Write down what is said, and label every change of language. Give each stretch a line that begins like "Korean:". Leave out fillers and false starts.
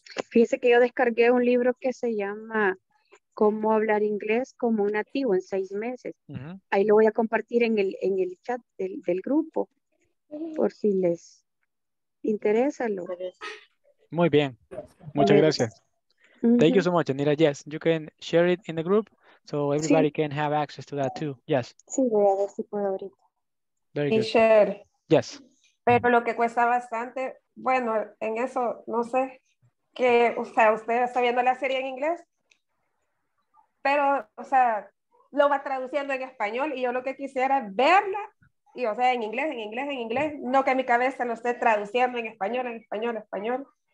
Spanish: Fíjese que yo descargué un libro que se llama Cómo hablar inglés como un nativo en 6 meses. Uh-huh. Ahí lo voy a compartir en el chat del grupo por si les interesa. Muy bien, muchas gracias. Uh-huh.
English: Thank you so much,
Spanish: Anira.
English: Yes, you can share it in the group so everybody, sí, can have access to that too. Yes.
Spanish: Sí, voy a ver si puedo ahorita.
English: Very good. Michelle. Yes.
Spanish: Pero lo que cuesta bastante, bueno, en eso, no sé, que, o sea, usted está viendo la serie en inglés, pero, o sea, lo va traduciendo en español y yo lo que quisiera es verla, y, o sea, en inglés, no que mi cabeza lo esté traduciendo en español.